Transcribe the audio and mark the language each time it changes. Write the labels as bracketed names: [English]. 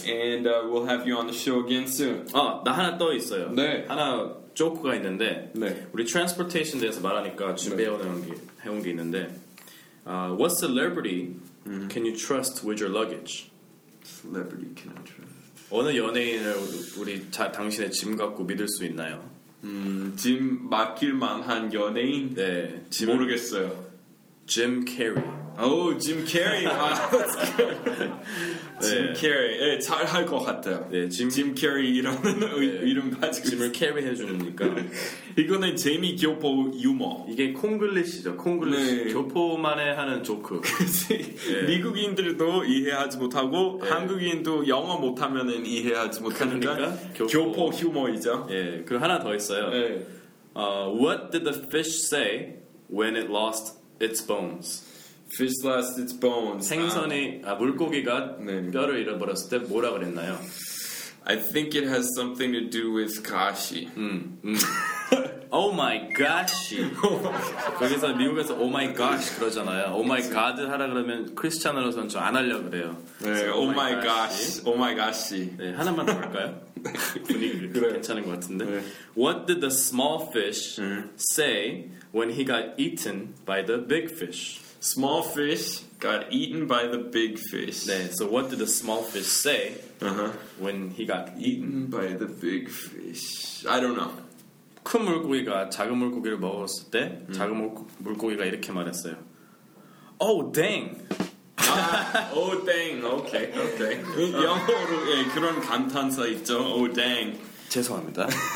[English] And we'll have you on the show again soon. [Korean] 나 하나 또 있어요. 네. 하나 조크가 있는데. 네. 우리 트랜스포테이션 대해서 말하니까 준비해온 게 있는데. [English] What celebrity can you trust with your luggage? Celebrity can I trust? [Korean] 어느 연예인을 우리 당신의 짐 갖고 믿을 수 있나요? 짐 맡길 만한 연예인? 네. 모르겠어요. [English] Jim Carrey. Oh, Jim Carrey. Wow, that's good. Jim Carrey. [Korean] 네, 잘할 것 같아요. 네, Jim Carrey 이라는 이름 가지고 짐을 캐리 해주니까. 이거는 재미교포 유머. 이게 콩글리시죠. 콩글리시. 네. 교포만의 하는 조크. 그치? 네. 미국인들도 이해하지 못하고 네. 한국인도 영어 못하면 이해하지 못하는 그러니까 교포 휴머이죠. 예, 네. 그리고 하나 더 있어요. 네. [English] What did the fish say when it lost its bones? Fish lost its bones. [Korean] 생선이 아 물고기가 네. 뼈를 잃어버렸을 때 뭐라 그랬나요? [English] I think it has something to do with kashi. Oh my gosh. [Korean] 거기서 미국에서 oh my gosh 그러잖아요. [English] Oh my god [Korean] 하라 그러면 크리스찬으로서는 저 안 하려고 그래요. [English] 네, oh my gosh. Oh my gosh. [Korean] 네, 하나만 더 할까요? 분위기 괜찮은 것 같은데. 네. [English] What did the small fish say when he got eaten by the big fish? Small fish got eaten by the big fish. 네, so what did the small fish say when he got eaten by the big fish? I don't know. [Korean] 큰 물고기가 작은 물고기를 먹었을 때 작은 물고기가 이렇게 말했어요. [English] Oh, dang! Ah, oh, dang! Okay, okay. [Korean] 영어로 예, 그런 감탄사 있죠. [English] Oh, dang. [Korean] 죄송합니다.